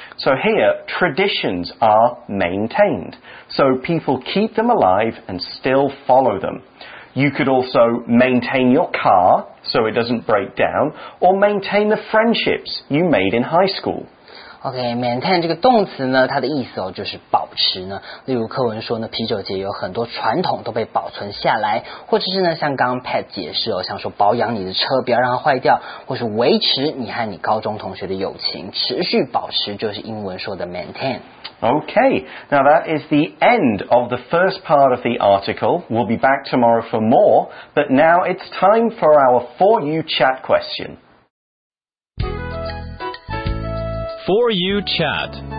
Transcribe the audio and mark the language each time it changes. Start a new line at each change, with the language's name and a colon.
English: So here, traditions are maintained. So people keep them alive and still follow them. You could also maintain your car so it doesn't break down, or maintain the friendships you made in high school.
Chinese: Okay, maintain 这个动词呢，它的意思哦就是保持呢。例如课文说呢，啤酒节有很多传统都被保存下来，或者是呢，像刚刚 Pat 解释哦，像说保养你的车，不要让它坏掉，或是维持你和你高中同学的友情，持续保持就是英文说的 maintain。
English: Okay, now that is the end of the first part of the article. We'll be back tomorrow for more, but now it's time for our For You chat question. For You chat.